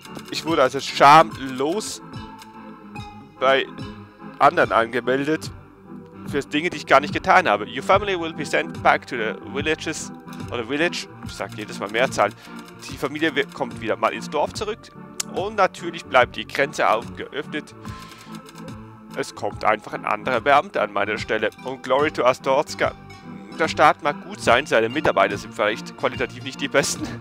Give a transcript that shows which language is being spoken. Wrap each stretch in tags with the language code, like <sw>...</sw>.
<de>Ich wurde also schamlos bei anderen angemeldet für Dinge, die ich gar nicht getan habe.</de> <en>Your family will be sent back to the villages or the village.</en> <de>Ich sag jedes Mal Mehrzahl. Die Familie kommt wieder mal ins Dorf zurück und natürlich bleibt die Grenze auch geöffnet. Es kommt einfach ein anderer Beamter an meiner Stelle. Und</de> <en>glory to Astorska.</en> <de>Der Staat mag gut sein, seine Mitarbeiter sind vielleicht qualitativ nicht die besten.</de>